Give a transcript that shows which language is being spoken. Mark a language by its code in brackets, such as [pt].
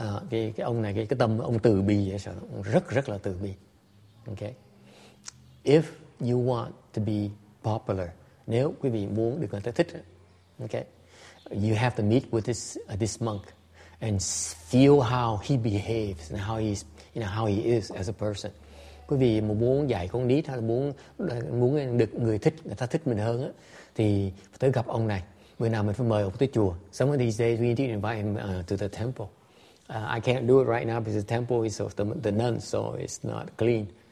[vi] Cái ông này cái tâm ông từ bi vậy sao, rất rất là từ bi. Okay. [en] If you want to be popular, [vi] nếu quý vị muốn được người ta thích, [en] okay, you have to meet with this monk and feel how he behaves and how he's, you know, how he is as a person. [vi] Quý vị mà muốn dạy con nít hay là muốn được người ta thích mình hơn á, thì tới gặp ông này. Bữa nào mình phải mời ông tới chùa. [en] Some of these days we need to invite him to the temple. I can't do it right now because the temple is of the nuns, so it's not clean.